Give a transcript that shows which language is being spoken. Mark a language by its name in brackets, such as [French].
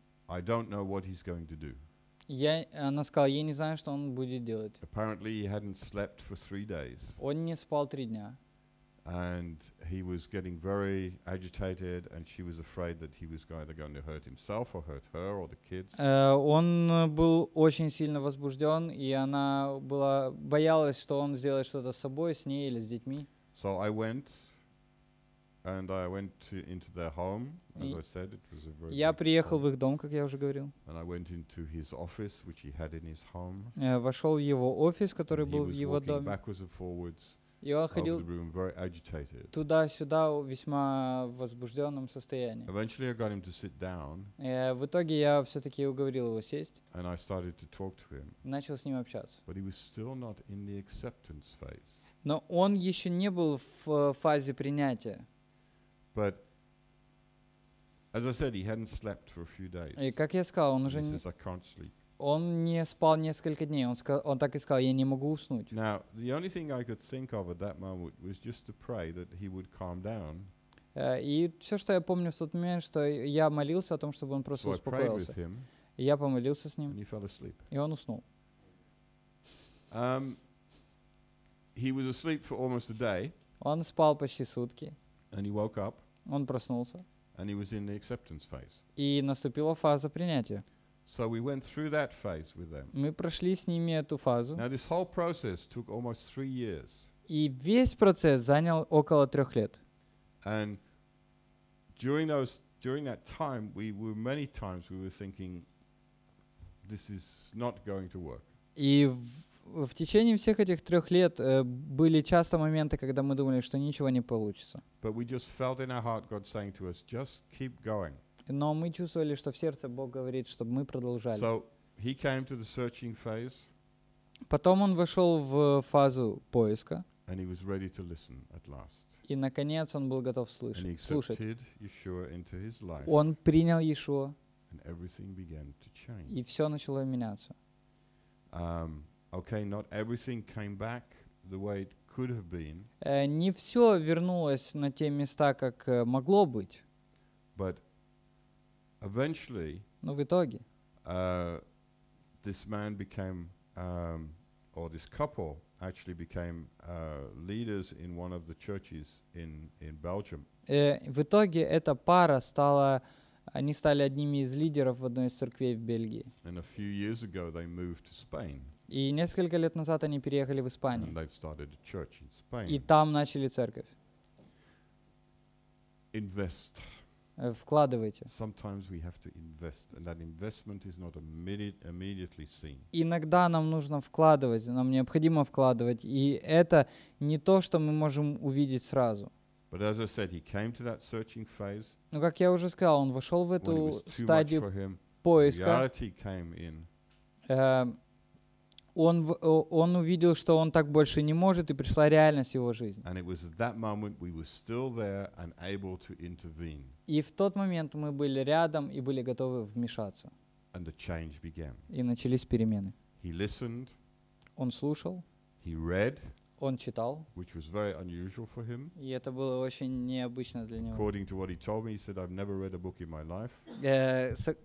[English] I don't know what he's going to do. [Russian] Она сказала, я не знаю, что он будет делать. [English] Apparently he hadn't slept for 3 days. [Russian] Он не спал 3 дня. [English] And he was getting very agitated, and she was afraid that he was either going to hurt himself or hurt her or the kids. [Russian] Он был очень сильно возбужден, и она была боялась, что он сделает что-то с собой, с ней или с детьми. [English] So I went And I went to into their home, as I said, it was a very. [Russian] Я приехал в их дом, как я уже говорил. [English] And I went into his office, which he had in his home. [Russian] Вошел в его офис, который был в его доме. [English] He was walking backwards and forwards. [Russian] И он ходил [English] over the room, very agitated. [Russian] Туда-сюда в весьма возбужденном состоянии. [English] Eventually I got him to sit down. [Russian] В итоге я все-таки уговорил его сесть. [English] And I started to talk to him. [Russian] Начал с ним общаться. [English] But he was still not in the acceptance phase. [Russian] Но он еще не был в фазе принятия. [English] But as I said, he hadn't slept for a few days. [Russian] И как я сказал, он уже он не спал несколько дней. Он так и сказал: я не могу уснуть. [English] Now the only thing I could think of at that moment was just to pray that he would calm down. [Russian] И все, что я помню в тот момент, что я молился о том, чтобы он просто успокоился. [English] So [Russian] я помолился с ним. [English] And he fell asleep. [Russian] И он уснул. [English] He was asleep for almost a day. [Russian] Он спал почти сутки. [English] And he woke up. [Russian] Он проснулся. [English] And he was in the acceptance phase. [Russian] И наступила фаза принятия. [English] So we went through that phase with them. [Russian] Мы прошли с ними эту фазу. [English] Now this whole process took almost 3 years. [Russian] И весь процесс занял около 3 лет. [English] And during that time, we were many times we were thinking, this is not going to work. [Russian] И в течение всех этих 3 лет были часто моменты, когда мы думали, что ничего не получится. [English] But we just felt in our heart God saying to us, just keep going. [Russian] Но мы чувствовали, что в сердце Бог говорит, чтобы мы продолжали. [English] So he came to the searching phase. [Russian] Потом он вошел в фазу поиска. [English] And he was ready to listen at last. [Russian] И наконец он был готов слышать. [English] And he accepted Yeshua into his life. [Russian] Он принял Иешуа. [English] And everything began to change. [Russian] И все начало меняться. [English] Okay, not everything came back the way it could have been. [Russian] Не все вернулось на те места, как могло быть. [English] But eventually, [Russian] но в итоге, [English] this man became, or this couple actually became leaders in one of the churches in Belgium. [Russian] В итоге эта пара стала, они стали одними из лидеров в одной из церквей в Бельгии. [English] And a few years ago, they moved to Spain. [Russian] И несколько лет назад они переехали в Испанию. [English] And they've started a church in Spain. [Russian] И там начали церковь. [English] Invest. [Russian] Вкладывайте. [English] Sometimes we have to invest, and that investment is not immediately seen. [Russian] Иногда нам нужно вкладывать, нам необходимо вкладывать, и это не то, что мы можем увидеть сразу. [English] But as I said, he came to that searching phase. [Russian] Но как я уже сказал, он вошел в эту стадию [English] him, [Russian] поиска. [English] Reality came in. [Russian] Он увидел, что он так больше не может, и пришла реальность в его жизни. [English] And it was at that moment we were still there and able to intervene. [Russian] И в тот момент мы были рядом и были готовы вмешаться. [English] And the change began. [Russian] И начались перемены. [English] He listened. [Russian] Он слушал. [English] He read. [Russian] Он читал. [English] Which was very unusual for him. [Russian] И это было очень необычно для него. [English] According to what he told me, he said, "I've never read a book in my life."